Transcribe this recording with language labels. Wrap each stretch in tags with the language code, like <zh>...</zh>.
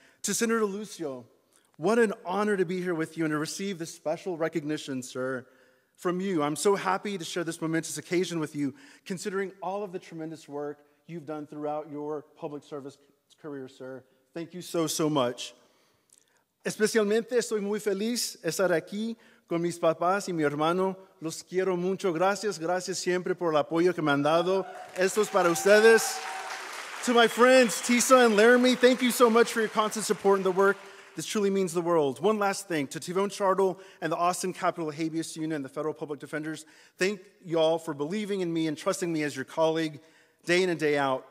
<en>To Senator Lucio, what an honor to be here with you and to receive this special recognition, sir. From you, I'm so happy to share this momentous occasion with you, considering all of the tremendous work you've done throughout your public service career, sir. Thank you so, so much.</en> <es>Especialmente estoy muy feliz de estar aquí con mis papás y mi hermano. Los quiero mucho. Gracias, gracias siempre por el apoyo que me han dado. Esto es para ustedes.</es> <en>To my friends, Tisa and Laramie, thank you so much for your constant support in the work. This truly means the world. One last thing, to Tivon Chardle and the Austin Capitol Habeas Union and the Federal Public Defenders, thank y'all for believing in me and trusting me as your colleague day in and day out.</en>